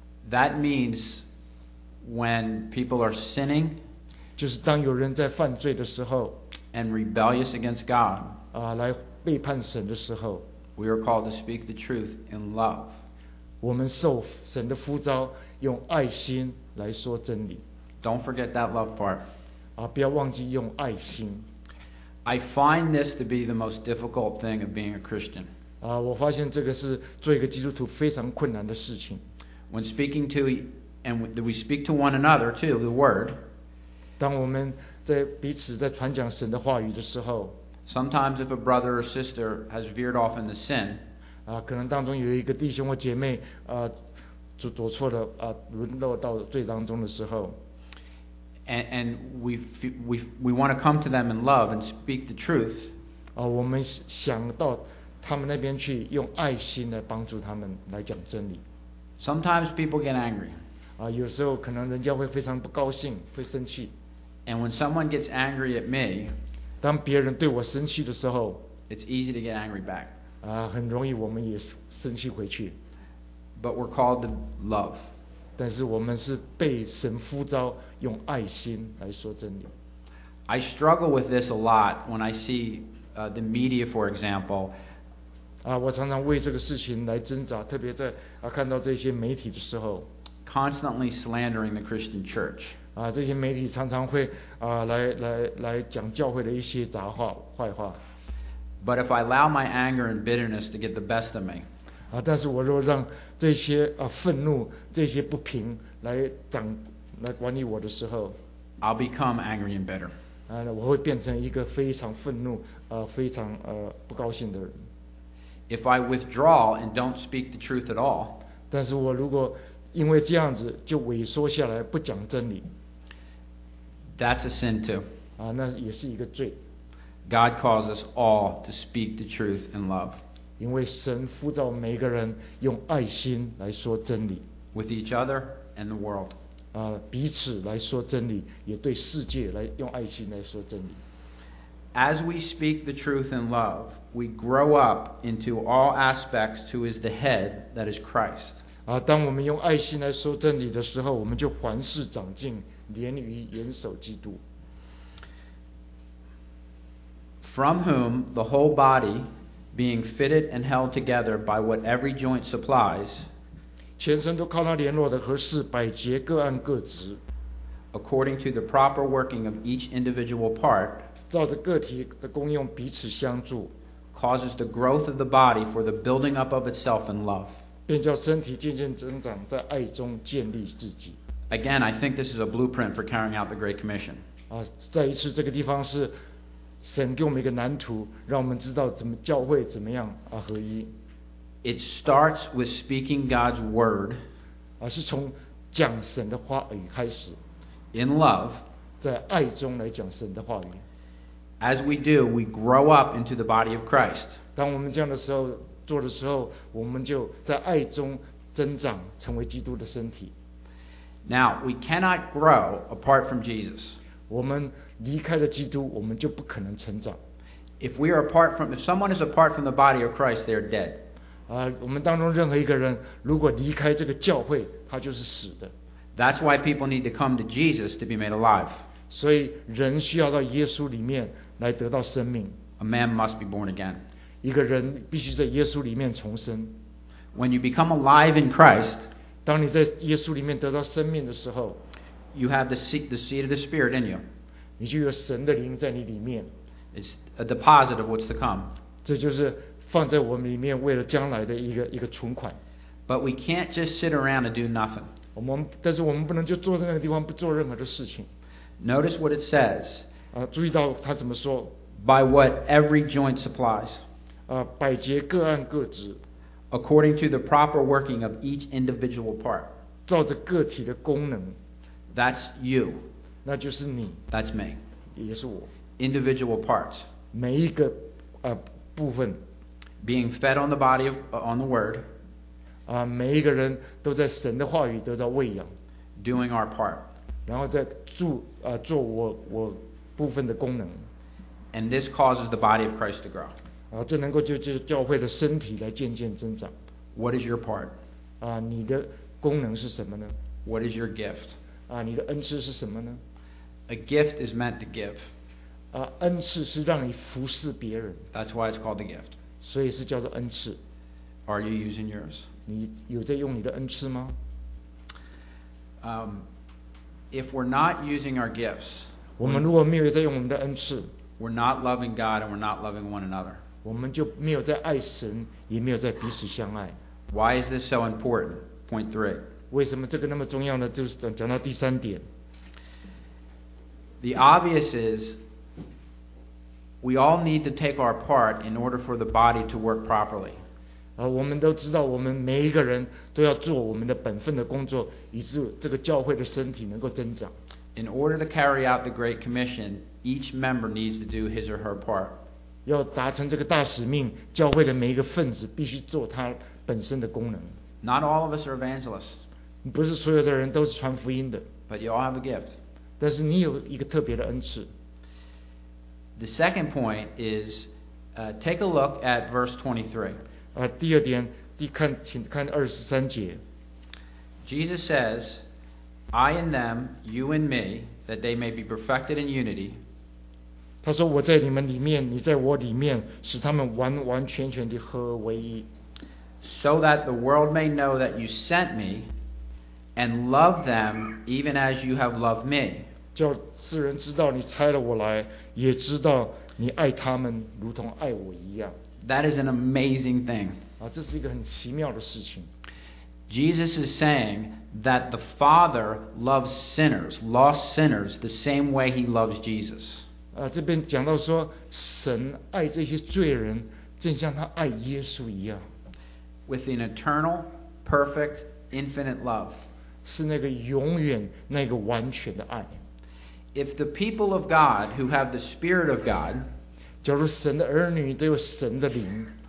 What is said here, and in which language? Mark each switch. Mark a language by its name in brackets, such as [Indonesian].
[English] That means when people are sinning, [Chinese] 就是当有人在犯罪的时候 [English] ，and rebellious against God. [Chinese] 来。背叛神的时候 [English] We are called to speak the truth in love. [Chinese] 我们受神的呼召，用爱心来说真理。 [English] Don't forget that love part. [Chinese] 不要忘记用爱心。 [English] I find this to be the most difficult thing of being a Christian. [Chinese] 我发现这个是做一个基督徒非常困难的事情。 [English] When speaking to and we speak to one another too, the word. [Chinese] 当我们在彼此在传讲神的话语的时候。 [English] Sometimes if a brother or sister has veered off in the sin, [Chinese] 可能当中有一个弟兄或姐妹走错了沦落到罪当中的时候 [English] ，and we want to come to them in love and speak the truth. [Chinese] 我们想到他们那边去，用爱心来帮助他们来讲真理。 [English] Sometimes people get angry. [Chinese] 有时候可能人家会非常不高兴，会生气。 [English] And when someone gets angry at me. [Chinese] 当别人对我生气的时候 [English] ，It's easy to get angry back. [Chinese] 很容易我们也生气回去。 [English] But we're called to love. [Chinese] 但是我们是被神呼召用爱心来说真理。 [English] I struggle with this a lot when I see the media, for example. [Chinese] 我常常为这个事情来挣扎，特别在看到这些媒体的时候。 [English] Constantly slandering the Christian church. [Chinese] 这些媒体常常会来讲教会的一些杂话坏话。 [English] But if I allow my anger and bitterness to get the best of me. [Chinese] 但是我若让这些愤怒这些不平来管理我的时候。 [English] I'll become angry and bitter. [Chinese] 我会变成一个非常愤怒非常不高兴的人。 [English] If I withdraw and don't speak the truth at all, [Chinese] 但是我如果因为这样子就萎缩下来不讲真理， [English] that's a sin too. [Chinese] 那也是一个罪。 [English] God calls us all to speak the truth in love. [Chinese] 因为神呼召每个人用爱心来说真理。 [English] With each other and the world. [Chinese] 彼此来说真理，也对世界来用爱心来说真理。 [English] As we speak the truth in love, we grow up into all aspects who is the head, that is Christ. [Chinese] 当我们用爱心来说真理的时候，我们就凡事长进，连于严守基督。 [English] From whom the whole body, being fitted and held together by what every joint supplies, [Chinese] 全身都靠他联络的合适，百节各按各职。 [English] According to the proper working of each individual part, [Chinese] 照着个体的功用彼此相助， [English] causes the growth of the body for the building up of itself in love， [Chinese] 便叫身体渐渐增长，在爱中建立自己。 [English] Again, I think this is a blueprint for carrying out the Great Commission. [Chinese] 再一次，这个地方是神给我们一个蓝图，让我们知道怎么教会怎么样合一。 [English] It starts with speaking God's word， [Chinese] 是从讲神的话语开始。 [English] In love， [Chinese] 在爱中来讲神的话语。 [English] As we do, we grow up into the body of Christ. [Chinese] 当我们这样的时候做的时候，我们就在爱中增长，成为基督的身体。 [English] Now we cannot grow apart from Jesus. [Chinese] 我们离开了基督，我们就不可能成长。 [English] If someone is apart from the body of Christ, they are dead. [Chinese] 我们当中任何一个人如果离开这个教会，他就是死的。 [English] That's why people need to come to Jesus to be made alive. [Chinese] 所以人需要到耶稣里面来得到生命。 [English] A man must be born again. [Chinese] 一个人必须在耶稣里面重生。 [English] When you become alive in Christ, [Chinese] 当你在耶稣里面得到生命的时候， [English] you have the seed of the Spirit in you. [Chinese] 你就有神的灵在你里面。 [English] It's a deposit of what's to come. [Chinese] 这就是放在我们里面为了将来的一个存款。 [English] But we can't just sit around and do nothing. [Chinese] 但是我们不能就坐在那个地方不做任何的事情。 [English] Notice what it says. [Chinese] 注意到他怎么说。 [English] By what every joint supplies. [Chinese] 百节各按各职。 [English] According to the proper working of each individual part. [Chinese] 照着个体的功能。 [English] That's you. [Chinese] 那就是你。 [English] That's me. [Chinese] 也是我。 [English] Individual parts. [Chinese] 每一个部分。 [English] Being fed on the body of, on the word. [Chinese] 每一个人都在神的话语得到喂养。 [English] Doing our part. [Chinese] 然后再做我部分的功能。 [English] And this causes the body of Christ to grow. [Chinese] 这能够就教会的身体来渐渐增长。 [English] What is your part? [Chinese] 你的功能是什么呢？ [English] What is your gift? [Chinese] 你的恩赐是什么呢？ [English] A gift is meant to give. [Chinese] 恩赐是让你服侍别人。 [English] That's why it's called a gift. [Chinese] 所以是叫做恩赐。 [English] Are you using yours? [Chinese] 你有在用你的恩赐吗？ [English] If we're not using our gifts, [Chinese] 我们如果没有在用我们的恩赐， [English] we're not loving God and we're not loving one another. [Chinese] 我们就没有在爱神，也没有在彼此相爱。 [English] Why is this so important? Point three. [Chinese] 为什么这个那么重要呢？就是讲到第三点。 [English] The obvious is, we all need to take our part in order for the body to work properly. [Chinese] 我们都知道我们每一个人都要做我们的本分的工作，以致这个教会的身体能够增长。 [English] In order to carry out the Great Commission, each member needs to do his or her part. [Chinese] 要达成这个大使命，教会的每一个分子必须做他本身的功能。 [English] Not all of us are evangelists. [Chinese] 不是所有的人都是传福音的。 [English] But you all have a gift. [Chinese] 但是你有一个特别的恩赐。 [English] The second point is, take a look at verse 23. [Chinese] 第二点，请看二十三节。 [English] Jesus says, I in them, you in me, that they may be perfected in unity. [Chinese] 他说我在你们里面，你在我里面，使他们完完全全地合而为一。 [English] So that the world may know that you sent me and love them even as you have loved me. [Chinese] 叫世人知道你差了我来，也知道你爱他们如同爱我一样。 [English] That is an amazing thing. [Chinese] 这是一个很奇妙的事情。 [English] Jesus is saying that the Father loves sinners, lost sinners, the same way he loves Jesus. [Chinese] 这边讲到说神爱这些罪人正像他爱耶稣一样。 [English] With an eternal, perfect, infinite love. [Chinese] 是那个永远那个完全的爱。 [English] If the people of God who have the Spirit of God [Chinese] 假如神的儿女都有神的灵